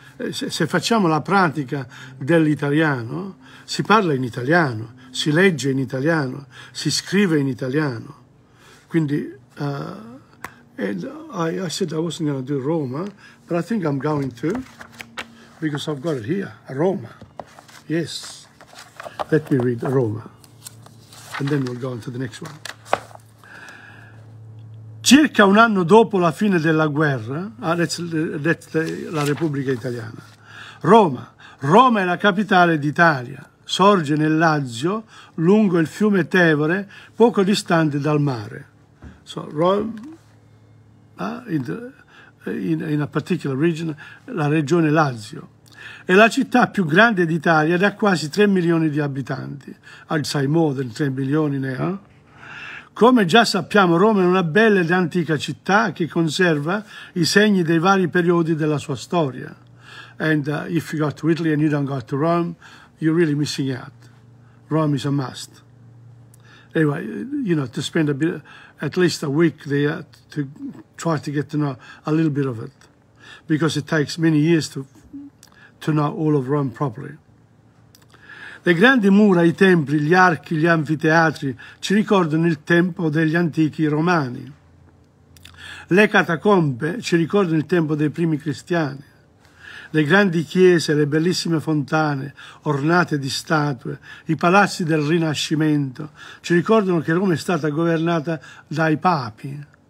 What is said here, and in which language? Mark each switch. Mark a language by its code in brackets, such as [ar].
[it] Se facciamo la pratica dell'italiano, si parla in italiano, si legge in italiano, si scrive in italiano. [en] Quindi, and I said I wasn't going to do Roma, but I think I'm going to, because I've got it here, Roma. Yes. Let me read Roma, and then we'll go on to the next one. [it] Circa un anno dopo la fine della guerra, that's la Repubblica Italiana, Roma. Roma è la capitale d'Italia. Sorge nel Lazio, lungo il fiume Tevere, poco distante dal mare. So, Roma. [en] In a particular region, la regione Lazio. [it] È la città più grande d'Italia ed ha quasi 3 milioni di abitanti. [en] I'd say more than [it] 3 milioni ne ha. Come già sappiamo, Roma è una bella ed antica città che conserva i segni dei vari periodi della sua storia. [en] And if you go to Italy and you don't go to Rome, you're really missing out. Rome is a must. Anyway, you know, to spend a bit, at least a week there to try to get to know a little bit of it, because it takes many years to know all of Rome properly. [it] Le grandi mura, i templi, gli archi, gli anfiteatri ci ricordano il tempo degli antichi romani. Le catacombe ci ricordano il tempo dei primi cristiani. Le grandi chiese, le bellissime fontane ornate di statue, i palazzi del Rinascimento ci ricordano che Roma è stata governata dai papi.